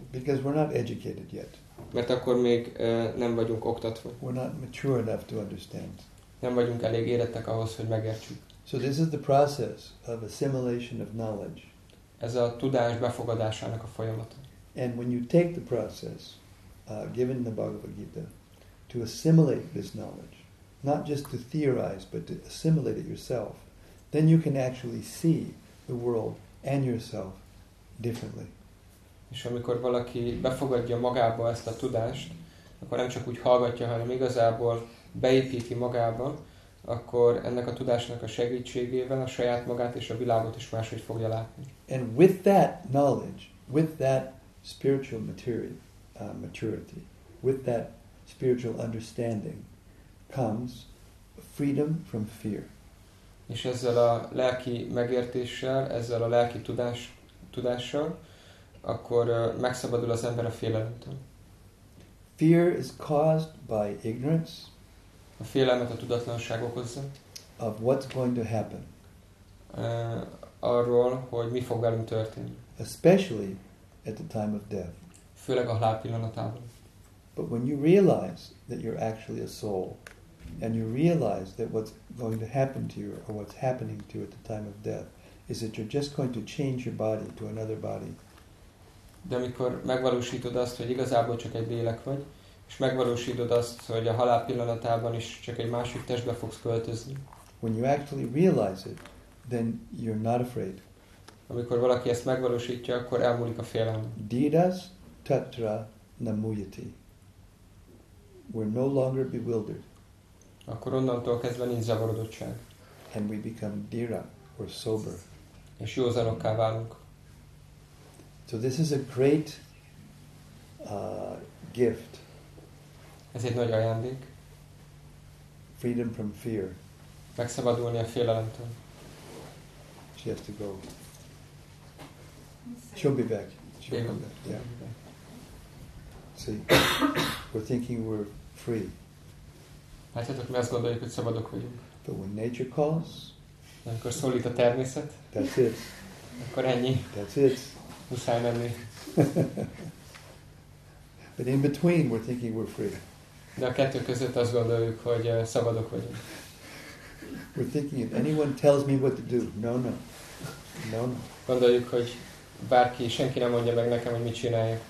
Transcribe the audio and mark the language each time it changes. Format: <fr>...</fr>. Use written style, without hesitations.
<en>Because we're not educated yet.</en> <hu>Mert akkor még nem vagyunk oktatva.</hu> <en>We're not mature enough to understand.</en> <hu>Nem vagyunk elég érettek ahhoz, hogy megértsük.</hu> <en>So this is the process of assimilation of knowledge.</en> <hu>Ez a tudás befogadásának a folyamata.</hu> <en>And when you take the process given in the Bhagavad Gita to assimilate this knowledge, not just to theorize but to assimilate it yourself, then you can actually see the world and yourself differently.</en> <hu>És amikor valaki befogadja magába ezt a tudást, akkor nem csak úgy hallgatja, hanem igazából beépíti magába, akkor ennek a tudásnak a segítségével a saját magát és a világot is máshogy fogja látni.</hu> <en>And with that knowledge, with that spiritual maturity, with that spiritual understanding comes freedom from fear.</en> <hu>És ezzel a lelki megértéssel, ezzel a lelki tudással, akkor megszabadul az ember a félelemtől.</hu> <en>Fear is caused by ignorance.</en> <hu>A félelmet a tudatlanság okozza.</hu> <en>Of what's going to happen.</en> <hu>Arról, hogy mi fog velünk történni.</hu> <en>Especially at the time of death.</en> <hu>Főleg a halál pillanatában.</hu> <en>But when you realize that you're actually a soul, and you realize that what's going to happen to you or what's happening to you at the time of death is that you're just going to change your body to another body.</en> <hu>De amikor megvalósítod azt, hogy igazából csak egy lélek vagy, és megvalósítod azt, hogy a halál pillanatában is csak egy másik testbe fogsz költözni.</hu> <en>When you actually realize it, then you're not afraid.</en> <hu>Amikor valaki ezt megvalósítja, akkor elmúlik a félelem.</hu> <sa>Didas tatra namuyati.</sa> <en>We're no longer bewildered.</en> <hu>Akkor onnantól kezdve nincs zavarodottság.</hu> <en>And we become dira, or sober.</en> <hu>És józanokká válunk.</hu> <en>So this is a great gift.</en> <hu>Ez egy nagy ajándék.</hu> <en>Freedom from fear.</en> <hu>Megszabadulni a félelemtől.</hu> <en>She has to go. She'll be back. She'll be back. See, we're thinking we're free.</en> <hu>Látjátok, mi azt gondoljuk, hogy szabadok vagyunk.</hu> <en>But when nature calls,</en> <hu>amikor szólít a természet,</hu> <en>that's it.</en> <hu>Akkor ennyi.</hu> <en>That's it.</en> <hu>Muszáj menni.</hu> <en>But in between, we're thinking we're free.</en> <hu>De a kettő között azt gondoljuk, hogy szabadok vagyunk.</hu> <en>We're thinking, if anyone tells me what to do, no.</en> <hu>Gondoljuk, hogy bárki, senki nem mondja meg nekem, hogy mit csináljak.</hu>